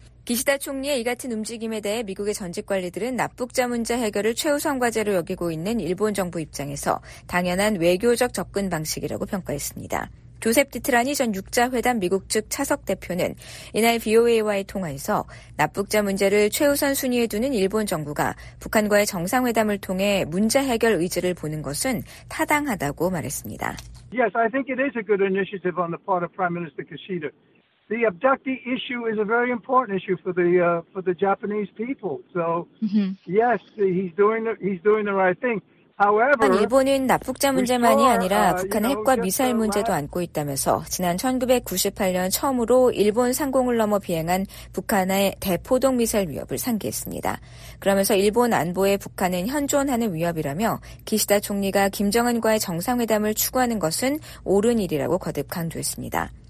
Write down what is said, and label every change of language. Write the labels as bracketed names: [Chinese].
[Korean] 기시다 총리의 이 같은 움직임에 대해 미국의 전직 관리들은 납북자 문제 해결을 최우선 과제로 여기고 있는 일본 정부 입장에서 당연한 외교적 접근 방식이라고 평가했습니다. 조셉 디트라니 전 6자회담 미국 측 차석 대표는 이날 BOA와의 통화에서 납북자 문제를 최우선 순위에 두는 일본 정부가 북한과의 정상회담을 통해 문제 해결 의지를 보는 것은 타당하다고 말했습니다. [English] Yes, I think it is a good initiative on the part of Prime Minister Kishida. The abductee issue is a very important issue for the Japanese people. So, yes, he's doing the right thing. However, [Korean] 일본은 납북자 문제만이 아니라 북한의 핵과 미사일 문제도 안고 있다면서 지난 1998년 처음으로 일본 상공을 넘어 비행한 북한의 대포동 미사일 위협을 상기했습니다. 그러면서 일본 안보에 북한은 현존하는 위협이라며 기시다 총리가 김정은과의 정상회담을 추구하는 것은 옳은 일이라고 거듭 강조했습니다.